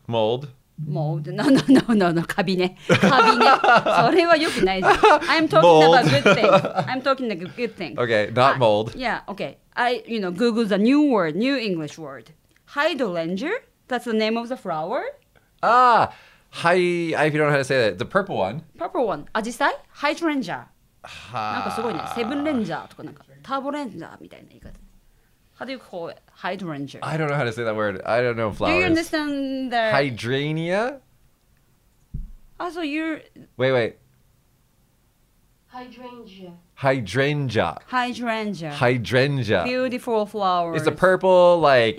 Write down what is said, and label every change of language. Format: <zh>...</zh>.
<ja>Mold. No. Kabine. Sore wa yokunai.</ja> <en>I'm talking about good things. Okay, not mold. Yeah, okay. I, you know, Google the new word, new English word. Hydrangea. That's the name of the flower. Ah, hi, if you don't know how to say that, the purple one. Purple one. Ajisai? Hydrangea.</en> <ja>なんかすごいね。セブンレンジャーとかなんかターボレンジャーみたいな言い方。</ja> <en>How do you call it? Hydrangea. I don't know how to say that word. I don't know flowers. Do you understand the... Hydrangea? Ah, so you're... Wait. Hydrangea. Beautiful flowers. It's a purple, like...</en>